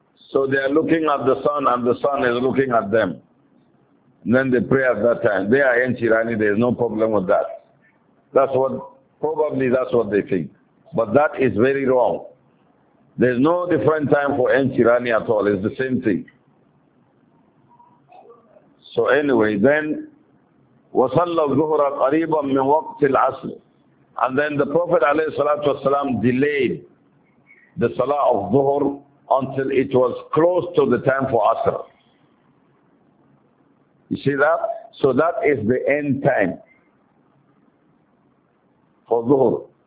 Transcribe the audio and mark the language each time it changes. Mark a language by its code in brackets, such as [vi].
[en] So they are looking at the sun, and the sun is looking at them. And then they pray at that time. They are Enti Rani, there is no problem with that. Probably that's what they think. But that is very wrong. There's no different time for Enti Rani at all. It's the same thing. So anyway, then, [ar] وَصَلَّ الظُّهُرَ قَرِيبًا مِنْ وَقْتِ الْعَصْرِ. [en] And then the Prophet ﷺ delayed the Salah of Dhuhr until it was close to the time for Asr. You see that? So that is the end time for Dhuhr.